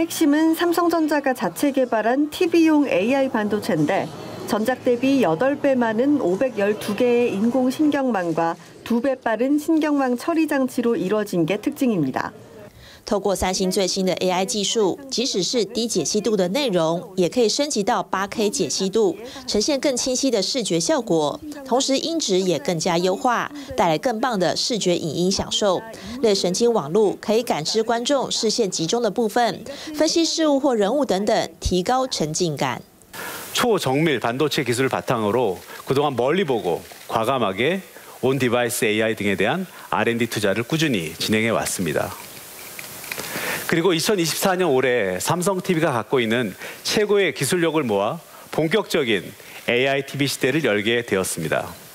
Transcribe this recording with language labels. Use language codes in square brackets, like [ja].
[ko] 핵심은 삼성전자가 자체 개발한 TV용 AI 반도체인데 전작 대비 8배 많은 512개의 인공 신경망과 2배 빠른 신경망 처리 장치로 이루어진 게 특징입니다. [zh] 透过三星最新的 AI 技术，即使是低解析度的内容，也可以升级到 8K 解析度，呈现更清晰的视觉效果，同时音质也更加优化，带来更棒的视觉影音享受。类神经网络可以感知观众视线集中的部分，分析事物或人物等等，提高沉浸感。 [ko] 초정밀 반도체 기술을 바탕으로 그동안 멀리 보고 과감하게 온 디바이스 AI 등에 대한 R&D 투자를 꾸준히 진행해 왔습니다. 그리고 2024년 올해 삼성 TV가 갖고 있는 최고의 기술력을 모아 본격적인 AI TV 시대를 열게 되었습니다.